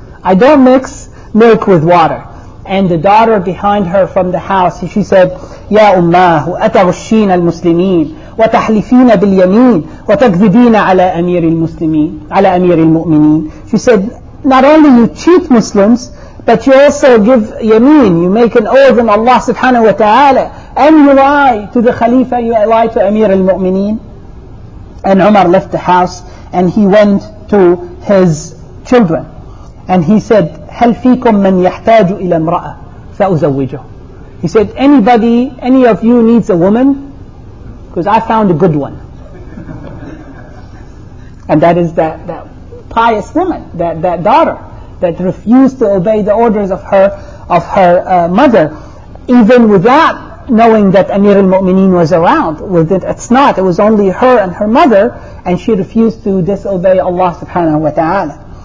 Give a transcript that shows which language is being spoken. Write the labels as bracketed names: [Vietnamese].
[English] I don't mix milk with water. And the daughter behind her from the house, she said, [Arabic] Ya Ummah, أتغشين المسلمين وتحلفين باليمين وتكذبين على أمير المسلمين على أمير المؤمنين. [English] She said, not only you cheat Muslims, But you also give yameen, you make an oath in Allah subhanahu wa ta'ala, and you lie to the Khalifa, you lie to Amir al-Mu'mineen. And Umar left the house and he went to his children. And he said, [Arabic] هَلْ فِيكُمْ مَنْ يَحْتَاجُ إِلَى امْرَأَةٍ فَأُزَوِّجُهُ. [English] He said, anybody, any of you needs a woman? Because I found a good one. And that is that pious woman, that daughter, that refused to obey the orders of her mother. Even without knowing that Amir al-Mu'mineen was around, it was only her and her mother, and she refused to disobey Allah subhanahu wa ta'ala.